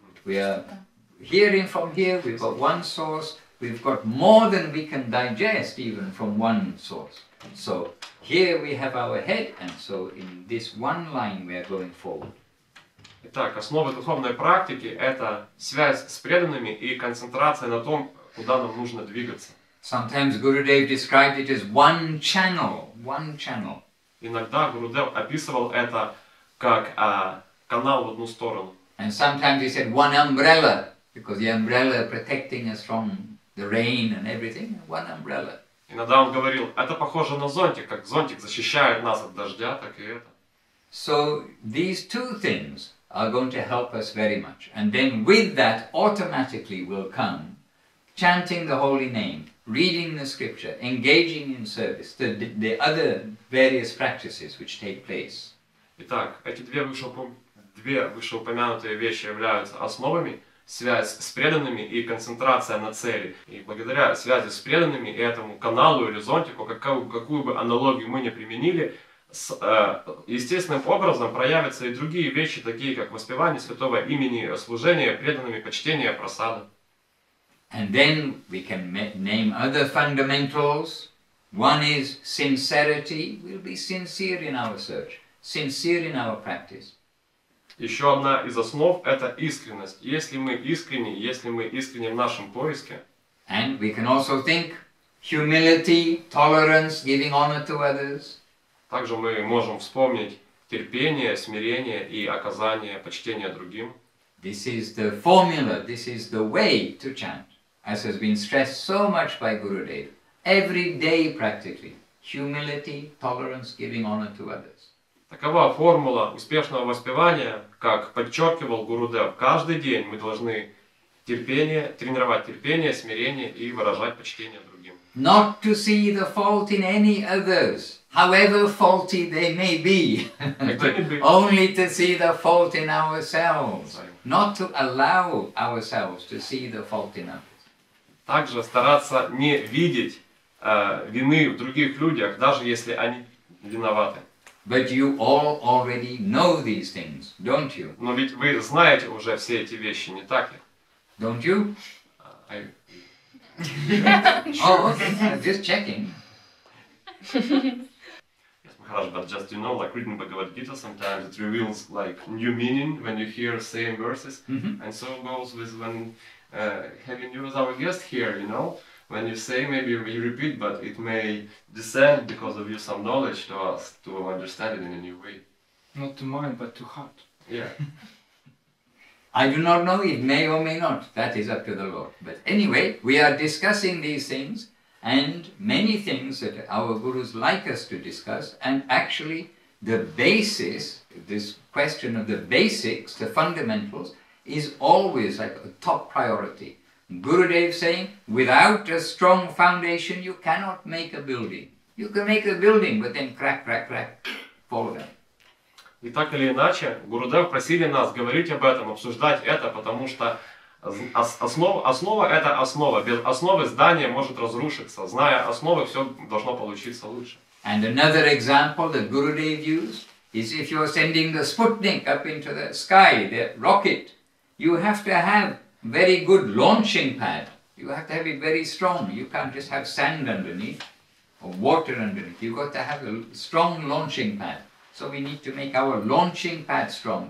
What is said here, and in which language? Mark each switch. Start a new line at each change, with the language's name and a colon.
English: We are hearing from here, we've got one source, we've got more than we can digest even from one source. So here we have our head, and so in this one line we are going forward.
Russian: Итак, основа духовной практики – это связь с преданными и концентрация на том, куда нам нужно двигаться.
English: Sometimes Gurudev described it as one channel, one channel.
Russian: Иногда Гурудев описывал это как канал в одну сторону.
English: And sometimes he said one umbrella, because the umbrella protecting us from the rain and everything, one umbrella.
Russian: Иногда он говорил, это похоже на зонтик, как зонтик защищает нас от дождя, так и это.
English: So these two things are going to help us very much. And then with that automatically will come chanting the holy name, reading the scripture, engaging in service, the other various practices which take place.
Russian: Итак, эти две вышеупомянутые вещи являются основами, связь с преданными и концентрация на цели. И благодаря связи с преданными и этому каналу или зонтику, какую бы аналогию мы ни применили, естественным образом проявятся и другие вещи, такие как воспевание святого имени, служение преданными, почтение просады.
English: And then we can name other fundamentals. One is sincerity. We'll be sincere in our search, sincere in our practice.
Russian: Еще одна из основ – это искренность. Если мы искренни, если мы искренни в нашем поиске.
English: And we can also think humility, tolerance, giving honor to others.
Russian: Также мы можем вспомнить терпение, смирение и оказание почтения другим.
English: This is the formula, this is the way to chant, as has been stressed so much by Gurudev, every day practically, humility, tolerance, giving honor to others.
Russian: Такова формула успешного воспевания, как подчеркивал Гурудев, каждый день мы должны терпение, тренировать терпение, смирение и выражать почтение другим.
English: Not to see the fault in any others. however faulty they may be, only to see the fault in ourselves, not to allow ourselves to see the fault in others.
Russian: Также стараться не видеть вины в других людях, даже если они виноваты.
English: But you all already know these things, don't you?
Russian: Но ведь вы знаете уже все эти вещи, не так ли?
English: Don't you? Oh, okay. Just checking. Yes, Maharaj, but just you know, like reading Bhagavad Gita, sometimes it reveals like new meaning when you hear same verses, and so goes with when having you as our guest here, you know. When you say, maybe we repeat, but it may descend because of you some knowledge to us to understand it in a new way. Not to mind, but to heart. Yeah. I do not know, it may or may not. That is up to the Lord. But anyway, we are discussing these things and many things that our gurus like us to discuss. And actually, the basis, this question of the basics, the fundamentals, is always like a top priority. Gurudev saying, without a strong foundation, you cannot make a building. You can make a building, but then crack, crack, crack, fall down.
Russian: И так или иначе, Гурудев просили нас говорить об этом, обсуждать это, потому что основа это основа. Без основы здание может разрушиться. Зная основы, все должно получиться лучше.
English: And another example that Gurudev used is if you're sending the Sputnik up into the sky, the rocket, you have to have very good launching pad. You have to have it very strong. You can't just have sand underneath or water underneath. You've got to have a strong launching pad. So we need to make our launching pad strong.